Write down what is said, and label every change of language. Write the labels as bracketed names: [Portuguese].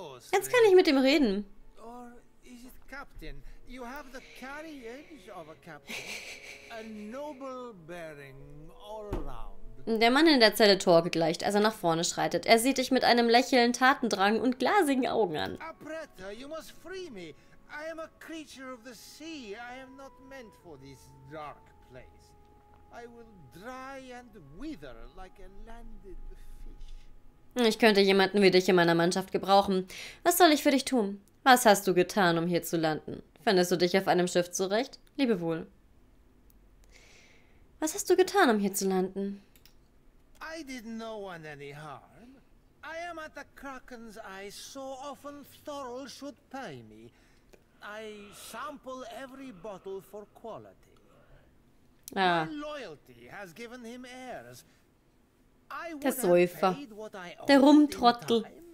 [German] Jetzt kann ich mit dem reden. [English] Or is it Captain? You have the carriage of a captain. A noble bearing all around. [German] Der Mann in der Zelle torkelt leicht, als er nach vorne schreitet. Er sieht dich mit einem Lächeln, Tatendrang und glasigen Augen an. [English] Apretta, you must free me. I am a creature of the sea. I am not meant for this dark place. I will dry and wither like a landed. [German] Ich könnte jemanden wie dich in meiner Mannschaft gebrauchen. Was soll ich für dich tun? Was hast du getan, um hier zu landen? Findest du dich auf einem Schiff zurecht? Lebe wohl. Was hast du getan, um hier zu landen? [English] I did no one any harm. I am at the Kraken's eye, so often Thorol should pay me. I sample every bottle for quality. Ah. My loyalty has given him airs. [German] Der Säufer. Der Rumtrottel.